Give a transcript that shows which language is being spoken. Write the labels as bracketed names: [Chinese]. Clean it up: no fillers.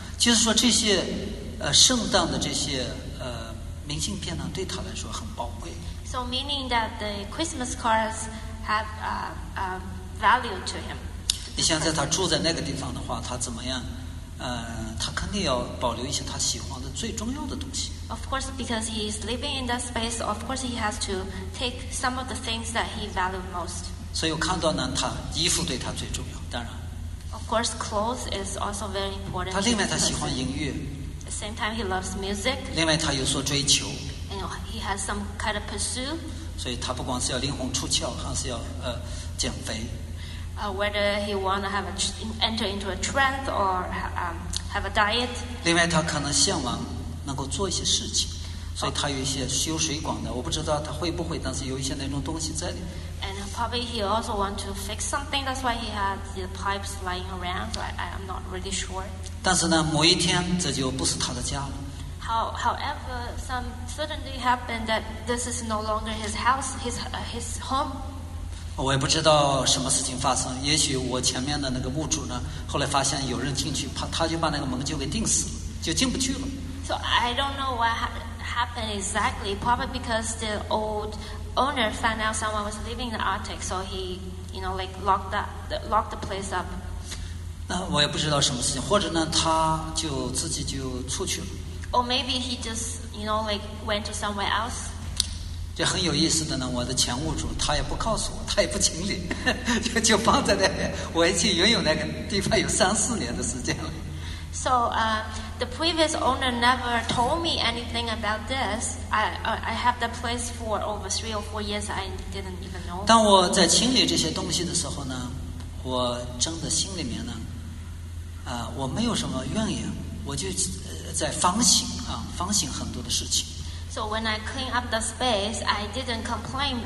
[Chinese] 就是说这些圣诞的这些明信片呢，对他来说很宝贵。 [English] So meaning that the Christmas cards have value to him. [Chinese] 你想在他住在那个地方的话，他怎么样？他肯定要保留一些他喜欢的最重要的东西。 [English] Of course, because he is living in that space, of course he has to take some of the things that he valued most. [Chinese] 所以我看到呢，他衣服对他最重要，当然。 [English] Of course, clothes is also very important. [Chinese] 他另外他喜欢音乐。 [English] At the same time, he loves music. [Chinese] 另外他有所追求。 [English] And he has some kind of pursuit. [Chinese] 所以他不光是要灵魂出窍，还是要减肥。 [English] Whether he want to have a enter into a trance or have a diet. [Chinese] 另外他可能向往能够做一些事情，所以他有一些修水管的，我不知道他会不会，但是有一些那种东西在里面。 [English] Probably he also want to fix something. That's why he had the pipes lying around. I'm not really sure. [Chinese] 但是呢，某一天这就不是他的家了。 [English] However, some suddenly happened that this is no longer his house, his home. [Chinese] 我也不知道什么事情发生。也许我前面的那个墓主呢，后来发现有人进去，他就把那个门就给钉死了，就进不去了。 [English] So I don't know what happened exactly. Probably because the old owner found out someone was living in the attic, so he, you know, like locked the place up. [Chinese] 那我也不知道什么事情，或者呢，他就自己就出去了。 [English] Or maybe he just, you know, like went to somewhere else. [Chinese] 这很有意思的呢，我的前屋主他也不告诉我，他也不清理，就放在那边。我已经拥有那个地方有三四年的时间了。 [English] So, the previous owner never told me anything about this. I have the place for over 3 or 4 years. I didn't even know. [Chinese] 当我在清理这些东西的时候呢，我真的心里面呢，我没有什么怨言，我就在反省很多的事情。 [English] So when I clean up the space, I didn't complain.